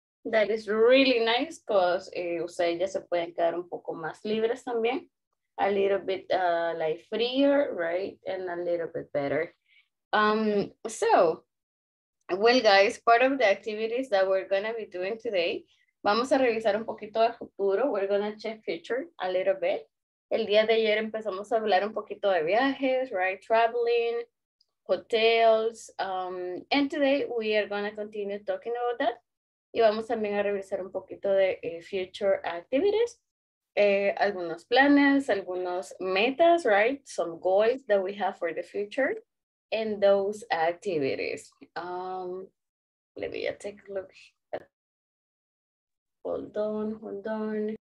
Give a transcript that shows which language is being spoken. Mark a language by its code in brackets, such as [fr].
[en] That is really nice because [es] ustedes ya se pueden quedar un poco más libres también. [en] A little bit like freer, right? And a little bit better. Well, guys, part of the activities that we're going to be doing today, [es] vamos a revisar un poquito de futuro. [en] We're going to check future a little bit. [es] El día de ayer empezamos a hablar un poquito de viajes, right? [en] Traveling, hotels. And today we are going to continue talking about that. [es] Y vamos también a revisar un poquito de future activities. Algunos planes, algunos metas, right? [en] Some goals that we have for the future. And those activities. Let me take a look. Hold on.